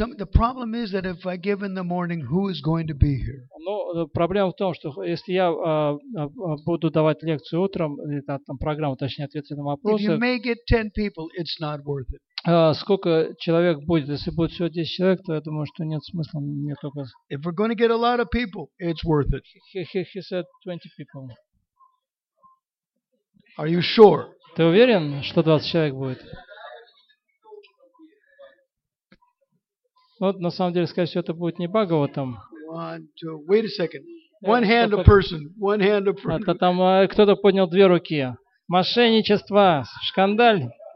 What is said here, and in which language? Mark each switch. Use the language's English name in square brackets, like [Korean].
[English] The problem is that if I give in the morning, who is going to be here? [Russian] Но проблема в том, что если я буду давать лекцию утром, там программу, точнее, ответы на вопросы. [English] If you may get 10 people, it's not worth it. [Russian] Сколько человек будет? Если будет всего 10 человек, то я думаю, что нет смысла мне только... [English] If we're going to get a lot of people, it's worth it. He said 20 people. Are you sure? [Russian] Ты уверен, что 20 человек будет? Вот, на самом деле, скорее всего, это будет не Бхагаватам. [English] One, two, wait a second. One hand a person. One hand a person. [Russian] Это там кто-то поднял две руки. Мошенничество, шкандаль.